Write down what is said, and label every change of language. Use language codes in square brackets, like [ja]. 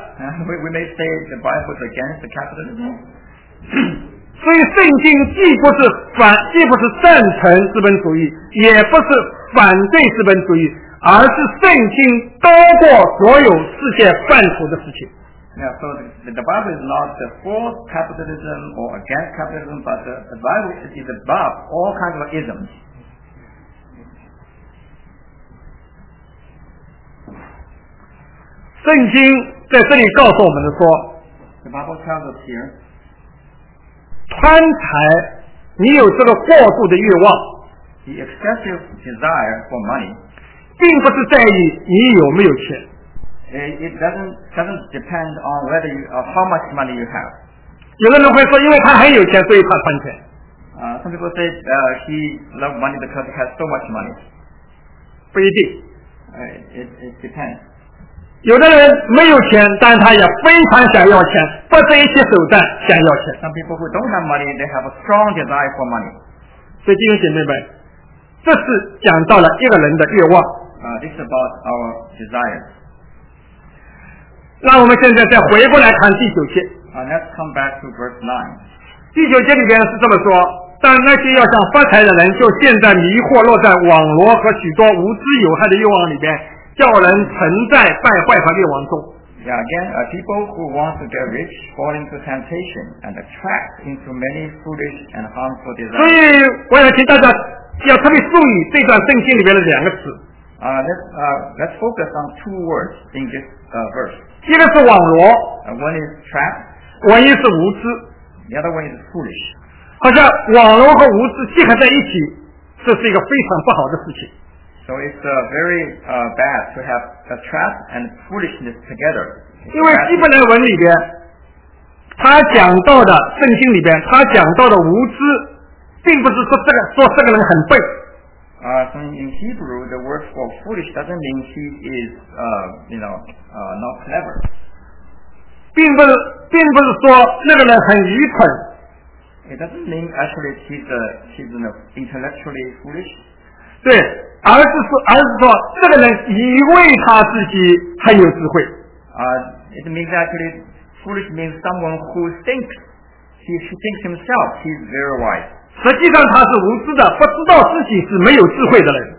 [en] We may say the Bible is against capitalism. [zh] 所以圣经既不是赞成资本主义，也不是反对资本主义，而是圣经高过所有世界范畴的事情。 [en] Yeah, so the Bible is not for capitalism or against capitalism, but the Bible is above all kinds of isms. [zh] 圣经在这里告诉我们的说， [en] The Bible tells us here, [zh] 贪财，你有这个过度的欲望， [en] The excessive desire for money, [zh] 并不是在于你有没有钱。 [en] It doesn't depend on whether you, how much money you have. [zh] 有的人会说，因为他很有钱，所以他贪钱。 [en] Some people say, he loves money because he has so much money. [zh] 不一定。 [en] It depends. [zh] 有的人没有钱，但他也非常想要钱，不择一切手段想要钱。 [en] Some people who don't have money, they have a strong desire for money. [zh] 所以弟兄姐妹们，这是讲到了一个人的欲望。 [en] This is about our desires. [zh] 那我们现在再回过来看第九节。 [en] Let's come back to verse 9. [zh] 第九节里边是这么说，但那些要想发财的人就陷在迷惑，落在网罗和许多无知有害的欲望里边，叫人沉在败坏和灭亡中。 [en] Yeah, again, people who want to get rich fall into temptation and attract into many foolish and harmful desires. [zh] 所以我想请大家要特别注意这段圣经里边的两个词。 [en] Let's focus on two words in this verse. [zh] 一个是网罗 [en] ，one is trap， [zh] 网一是无知 [en] ，the other one is foolish。 [zh] 好像网罗和无知结合在一起，这是一个非常不好的事情。 [en] So it's very bad to have a trap and foolishness together。 [zh] 因为希伯来文里边，他讲到的圣经里边，他讲到的无知，并不是说这个人很笨。 [en] So in Hebrew, the word for foolish doesn't mean he is, not clever. 并不是说那个人很愚蠢。 It doesn't mean actually he's intellectually foolish. [zh] 对，而是说这个人以为他自己很有智慧。 [en] It means actually Foolish means someone who thinks, he thinks himself, he's very wise. [zh] 实际上他是无知的，不知道自己是没有智慧的人。